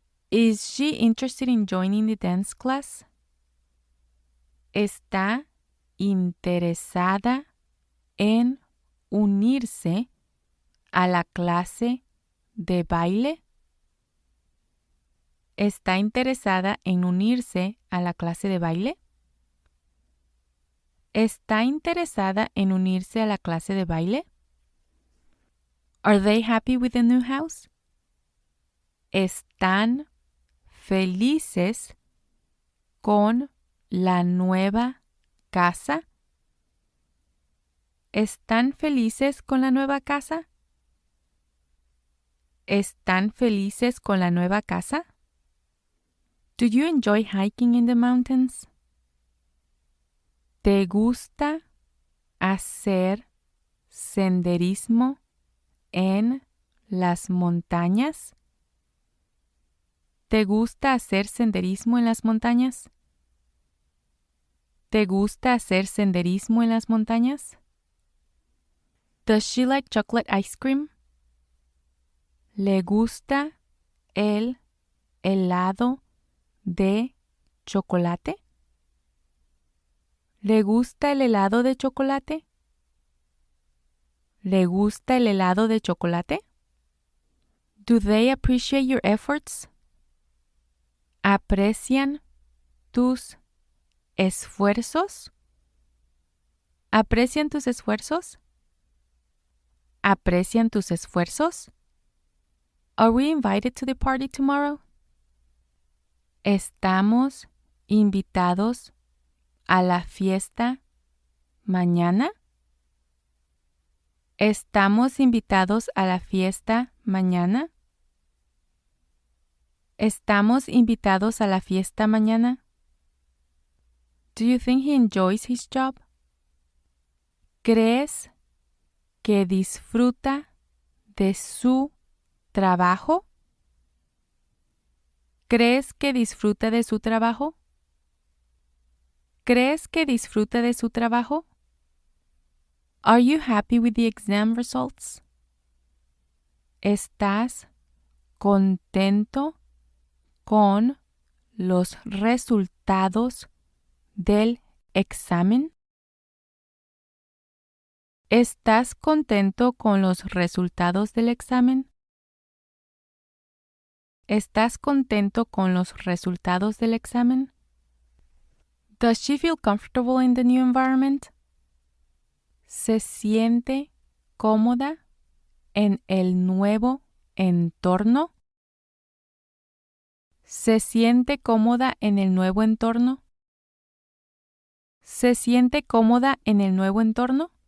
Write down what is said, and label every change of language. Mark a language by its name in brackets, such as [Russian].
[English] Is she interested in joining the dance class? [Spanish] ¿Está interesada en unirse a la clase de baile? ¿Está interesada en unirse a la clase de baile? ¿Está interesada en unirse a la clase de baile? [English] Are they happy with the new house? [Spanish] ¿Están felices con la nueva casa? ¿Están felices con la nueva casa? ¿Están felices con la nueva casa? [English] Do you enjoy hiking in the mountains? [Spanish] ¿Te gusta hacer senderismo en las montañas? ¿Te gusta hacer senderismo en las montañas? ¿Te gusta hacer senderismo en las montañas? [English] Does she like chocolate ice cream? [Spanish] ¿Le gusta el helado de chocolate? ¿Le gusta el helado de chocolate? ¿Le gusta el helado de chocolate? [English] Do they appreciate your efforts? [Spanish] ¿Aprecian tus esfuerzos? ¿Aprecian tus esfuerzos? ¿Aprecian tus esfuerzos? [English] Are we invited to the party tomorrow? [Spanish] Estamos invitados a la fiesta mañana. Estamos invitados a la fiesta mañana. Estamos invitados a la fiesta mañana. [English] Do you think he enjoys his job? [Spanish] ¿Crees que disfruta de su trabajo? ¿Crees que disfruta de su trabajo? ¿Crees que disfruta de su trabajo? [English] Are you happy with the exam results? [Spanish] ¿Estás contento con los resultados del examen? ¿Estás contento con los resultados del examen? ¿Estás contento con los resultados del examen? [English] Does she feel comfortable in the new environment? [Spanish] ¿Se siente cómoda en el nuevo entorno? ¿Se siente cómoda en el nuevo entorno? ¿Se siente cómoda en el nuevo entorno?